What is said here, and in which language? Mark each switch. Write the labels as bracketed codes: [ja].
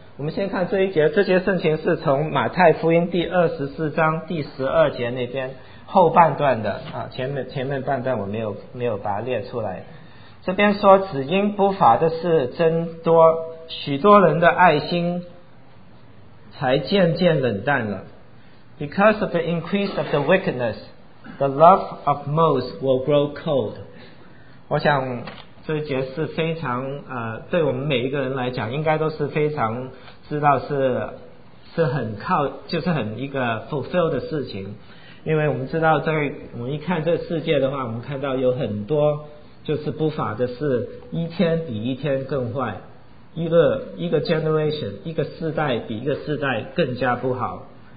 [zh] 我们先看这一节，这节圣经是从马太福音第24章第12节那边后半段的前面半段我没有把它列出来。这边说，只因不法的事增多，许多人的爱心才渐渐冷淡了。 [en] Because of the increase of the wickedness, the love of most will grow cold. [zh] 我想这一节是非常对我们每一个人来讲应该都是非常知道是很靠就是很一个 fulfill 的事情。因为我们知道在我们一看这世界的话，我们看到有很多就是不法的事，一天比一天更坏，一个 generation 一个世代比一个世代更加不好。